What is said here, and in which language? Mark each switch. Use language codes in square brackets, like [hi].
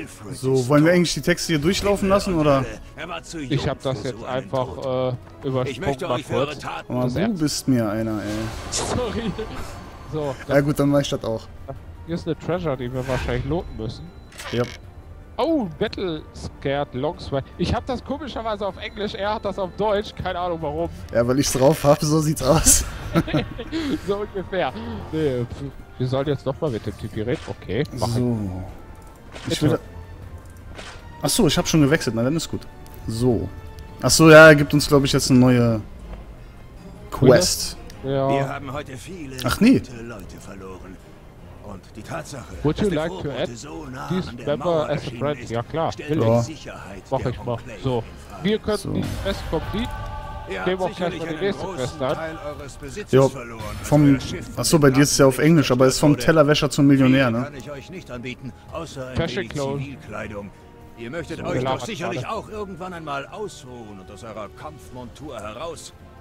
[de] So, wollen wir eigentlich die Texte hier durchlaufen lassen, oder? Ich hab das jetzt einfach übersprungen, mal kurz. Aber du bist mir einer, ey. Sorry. So. Ja gut, dann mach ich das auch. Hier ist eine Treasure, die wir wahrscheinlich looten müssen. Ja. Oh, Battle Scared Longsword. Ich hab das komischerweise auf Englisch, er hat das auf Deutsch, keine Ahnung warum. Ja, weil ich's drauf hab, so sieht's aus. So ungefähr. Nee, wir sollen jetzt nochmal mit dem Typ reden, okay. Machen. So. Ich will. Achso, ich hab schon gewechselt, na dann ist gut. So. Achso, ja, er gibt uns, glaube ich, jetzt eine neue Quest. Ja. Wir haben heute viele gute Leute verloren. Und die Tatsache, [en] would you like to add so nah this member as a friend? [de] Ist, ja klar, will ich. Mach ich mal. So, wir könnten die Quest complete. Dem auch gleich mal die nächste Quest an. Jo, vom... Achso, bei dir ist es ja auf Englisch, aber es ist vom Tellerwäscher zum Millionär, ne? Kann ich euch nicht anbieten, außer in Fashion Zivilkleidung. Ihr möchtet so, euch doch sicherlich auch irgendwann einmal ausruhen und aus eurer Kampfmontur heraus.